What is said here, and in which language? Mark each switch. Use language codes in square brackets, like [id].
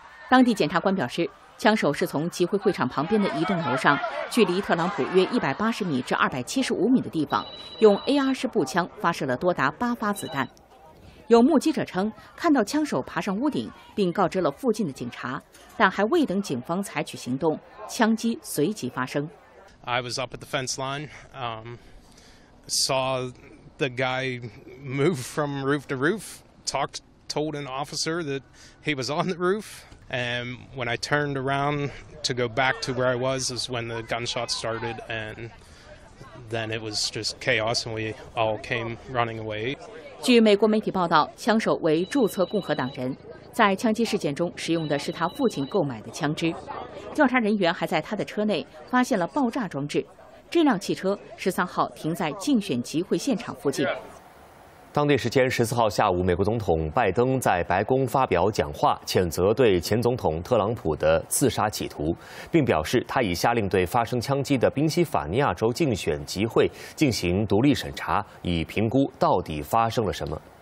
[zh] 当地检察官表示，枪手是从集会会场旁边的一栋楼上，距离特朗普约180米至275米的地方，用 AR-式步枪发射了多达8发子弹。有目击者称，看到枪手爬上屋顶，并告知了附近的警察，但还未等警方采取行动，枪击随即发生。 [en] I was up at the fence line, saw the guy move from roof to roof, talked told an officer that he was on the roof. And when I turned around to go back to where I was is when the gunshots started. And then it was just chaos and we all came running away. [zh] 据美国媒体报道，枪手为注册共和党人，在枪击事件中使用的是他父亲购买的枪支。调查人员还在他的车内发现了爆炸装置。这辆汽车13号停在竞选集会现场附近。当地时间14号下午，美国总统拜登在白宫发表讲话，谴责对前总统特朗普的自杀企图，并表示他已下令对发生枪击的宾夕法尼亚州竞选集会进行独立审查，以评估到底发生了什么。